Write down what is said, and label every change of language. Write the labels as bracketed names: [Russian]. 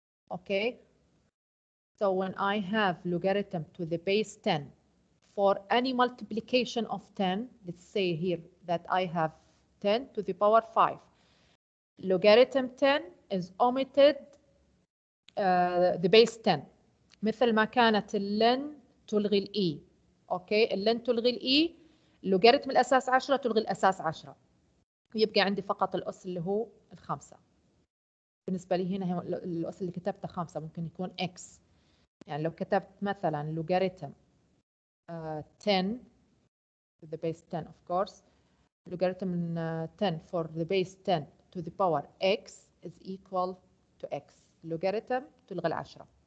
[English] Okay, so when I have logarithm to the base 10 for any multiplication of 10, let's say here that I have 10 to the power 5. Logarithm 10 is omitted the base 10. [Arabic] مثل ما كانت اللن تلغي الإي. أوكي اللن تلغي الإي. لوغاريتم الأساس 10 تلغي الأساس 10. يبقى عندي فقط الأس اللي هو الخمسة. بالنسبة لي هنا الأس اللي كتبته خمسة ممكن يكون X. يعني لو كتبت مثلا لوغاريتم 10 [English] to the base 10 of course. Logarithm 10 for the base 10 to the power X is equal to X. [Arabic] لوغاريتم تلغي العشرة.